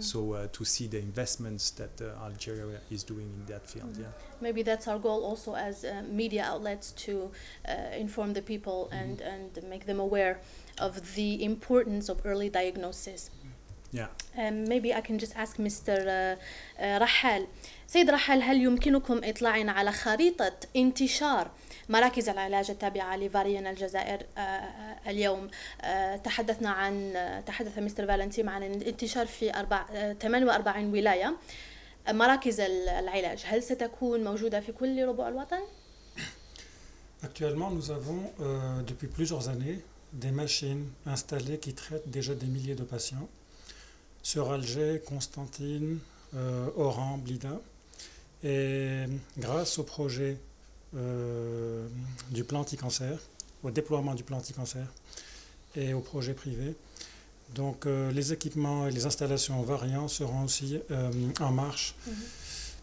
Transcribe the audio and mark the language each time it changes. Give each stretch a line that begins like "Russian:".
English: So to see the investments that Algeria is doing in that field, mm-hmm. yeah. Maybe that's our goal also as media outlets to inform the people mm-hmm. and make them aware of the importance of early diagnosis. Yeah. Maybe I can just ask Mr. Rahal.
Arabic: سيد رحل، هل يمكنكم إطلاعنا على خريطة انتشار مراكز العلاج التابعة لفاريان الجزائر اليوم؟ تحدث مستر فالنتيم عن الانتشار في 48 ولاية. مراكز العلاج هل ستكون موجودة في كل ربع الوطن؟
French: Actuellement, nous avons depuis plusieurs années des machines installées qui traitent déjà des milliers de patients sur Alger, Constantine, Oran, Blida. Et grâce au projet du plan anti-cancer, au déploiement du plan anti-cancer et au projet privé, donc les équipements et les installations variants seront aussi en marche mm-hmm.